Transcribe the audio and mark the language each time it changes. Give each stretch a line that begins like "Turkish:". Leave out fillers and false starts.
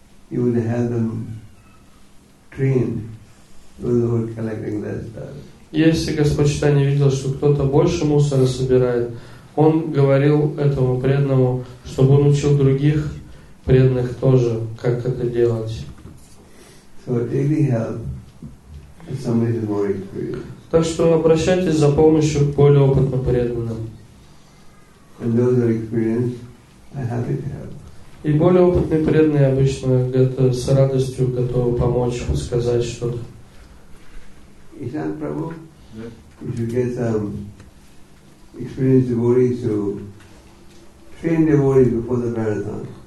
English: He would have them trained with the collecting less dust.
Russian: Если Господь Читания видел, что кто-то больше мусора собирает, он говорил этому преданному, чтобы он учил других преданных тоже, как это делать.
English: So really help if somebody is worried for you.
Russian: Так что обращайтесь за помощью к более опытным преданным.
English: And those that are experienced are happy to help.
Russian: И более опытные преданные обычно это с радостью готовы помочь, сказать что-то.
English: Ishan Prabhu, if you get some experienced devotees to train devotees before the marathon.